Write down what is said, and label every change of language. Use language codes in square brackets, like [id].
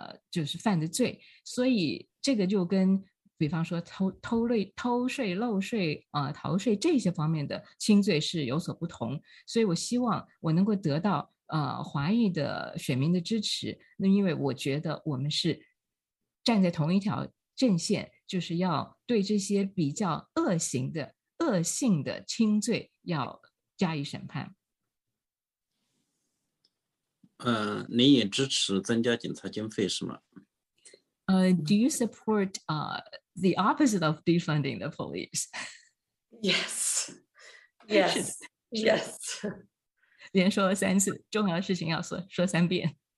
[zh] 就是犯的罪，所以这个就跟比方说偷税漏税逃税这些方面的轻罪是有所不同，所以我希望我能够得到华裔的选民的支持，那因为我觉得我们是站在同一条阵线，就是要对这些比较恶性的轻罪要加以审判。您也支持增加警察经费是吗？ [en] Do you support the opposite of defunding the police? Yes. Yes. Yes. [zh] 连说了三次，重要的事情要说三遍。